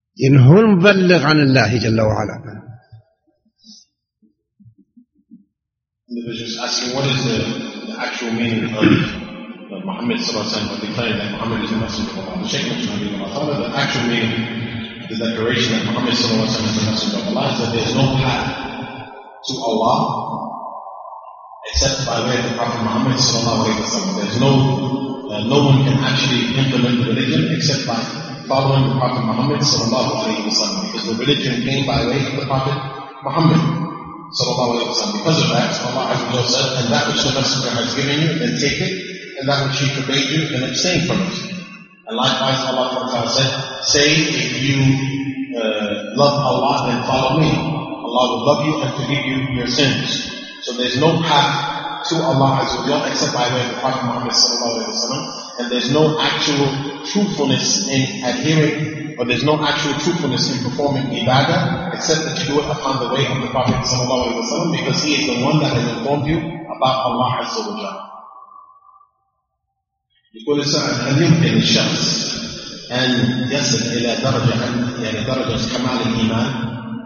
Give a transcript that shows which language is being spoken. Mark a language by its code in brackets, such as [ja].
[ar] إن هو المبلغ عن الله جل وعلا. [en] Except by way of the Prophet Muhammad sallallahu alayhi wa sallam. There's no one can actually implement the religion except by following the Prophet Muhammad sallallahu alayhi wa sallam. Because the religion came by way of the Prophet Muhammad sallallahu alayhi wa sallam. Because of that, Allah azza wa jalla said, and that which the Messenger has given you, then take it, and that which he forbade you, then abstain from it. And likewise, Allah azza wa jalla said, say, if you love Allah, then follow me. Allah will love you and forgive you your sins. So there's no path to Allah Azza wa Jalla except by way of the Prophet Muhammad sallallahu alayhi wa sallam, and there's no actual truthfulness in adhering, or there's no actual truthfulness in performing ibadah except that you do it upon the way of the Prophet sallallahu alayhi wa sallam, because he is the one that has informed you about Allah Azza wa Jalla. [ar] يقول السعد هل يمكن الشخص أن يصل إلى درجة يعني درجة كمال الإيمان؟